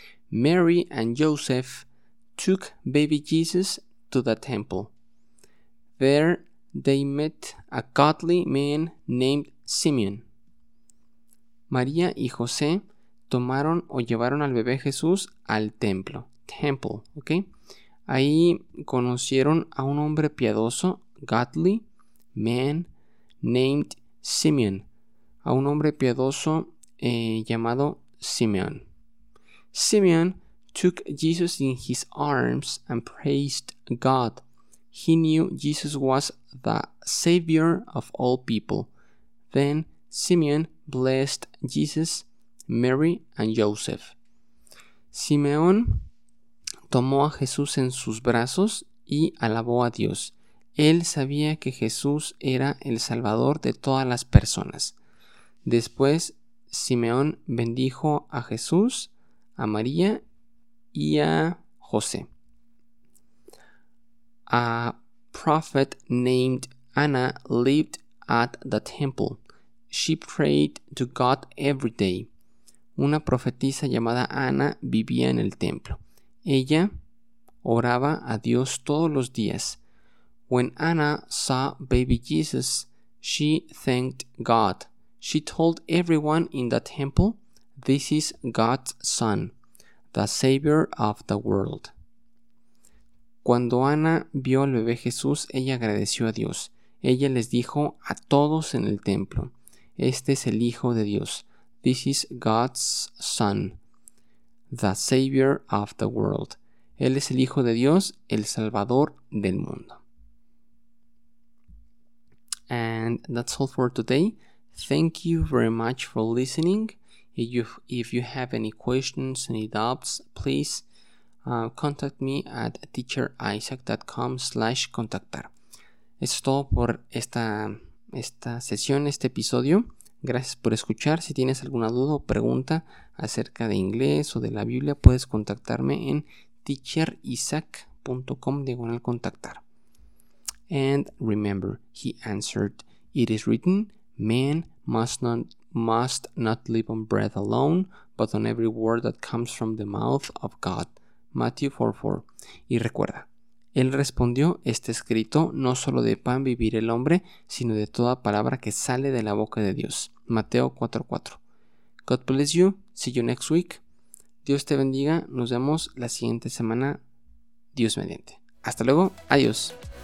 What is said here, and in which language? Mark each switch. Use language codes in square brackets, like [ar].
[en] Mary and Joseph took baby Jesus to the temple. There they met a godly man named Simeon. [es] María y José tomaron o llevaron al bebé Jesús al templo. Temple, ¿ok? Ahí conocieron a un hombre piadoso, [en] godly man named Simeon. [es] A un hombre piadoso llamado Simeon. Simeon [en] took Jesus in his arms and praised God. He knew Jesus was the Savior of all people. Then Simeon blessed Jesus, Mary, and Joseph. [es] Simeón tomó a Jesús en sus brazos y alabó a Dios. Él sabía que Jesús era el Salvador de todas las personas. Después, Simeón bendijo a Jesús, a María y a José. [en] A prophet named Anna lived at the temple. She prayed to God every day. [es] Una profetisa llamada Ana vivía en el templo. Ella oraba a Dios todos los días. [en] When Anna saw baby Jesus, she thanked God. She told everyone in the temple, "This is God's son, the savior of the world." [es] Cuando Ana vio al bebé Jesús, ella agradeció a Dios. Ella les dijo a todos en el templo, "Este es el hijo de Dios. [en] This is God's son, the savior of the world." [es] Él es el hijo de Dios, el salvador del mundo. [en] And that's all for today. Thank you very much for listening. If you have any questions, any doubts, please contact me at teacherisaac.com/contactar. [es] Es todo por esta sesión, este episodio. Gracias por escuchar. Si tienes alguna duda o pregunta acerca de inglés o de la Biblia, puedes contactarme en teacherisaac.com/contactar. [en] And remember, he answered, "It is written, man must not live on bread alone, but on every word that comes from the mouth of God." Matthew 4:4. [es] Y recuerda, él respondió, "Está escrito, no solo de pan vivir el hombre, sino de toda palabra que sale de la boca de Dios." [en] Mateo 4:4. God bless you. See you next week. [es] Dios te bendiga. Nos vemos la siguiente semana. Dios mediante. Hasta luego. Adiós.